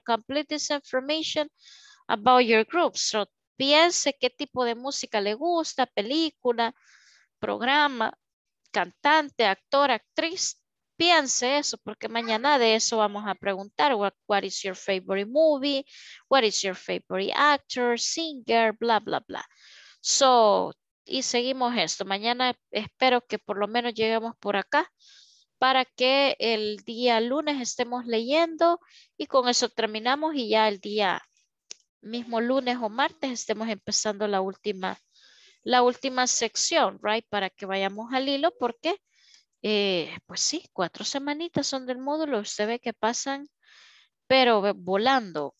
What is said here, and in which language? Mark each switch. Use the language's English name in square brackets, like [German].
[English] Complete this information about your group. [Spanish] So, piense qué tipo de música le gusta, película, programa, cantante, actor, actriz, piense eso, porque mañana de eso vamos a preguntar. [English] What is your favorite movie? What is your favorite actor, singer, bla, bla, bla. [Spanish] So, y seguimos esto. Mañana espero que por lo menos lleguemos por acá para que el día lunes estemos leyendo y con eso terminamos y ya el día mismo lunes o martes estemos empezando la última sección, right, para que vayamos al hilo, porque pues sí, 4 semanitas son del módulo, usted ve que pasan pero volando.